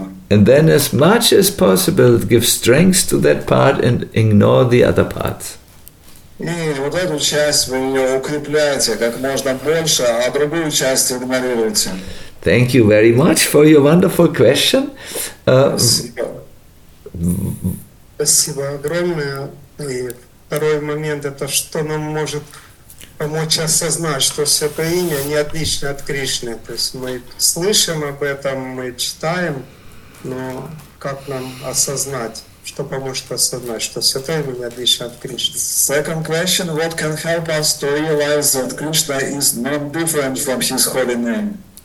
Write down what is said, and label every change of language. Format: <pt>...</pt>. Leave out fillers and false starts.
<en>And then as much as possible give strength to that part and ignore the other parts.</en> <ru>И вот эту часть вы ее укрепляете как можно больше, а другую часть игнорируете.</ru> <en>Thank you very much for your wonderful question.</en> <ru>Спасибо огромное. И второй момент, это что нам может помочь осознать, что Святое Имя не отлично от Кришны. То есть мы слышим об этом, мы читаем, но как нам осознать? Что поможет осознать, что Святое Имя не отлично от Кришны?</ru> <en>Second question, what can help us to realize that Krishna is not different from His holy name?</en>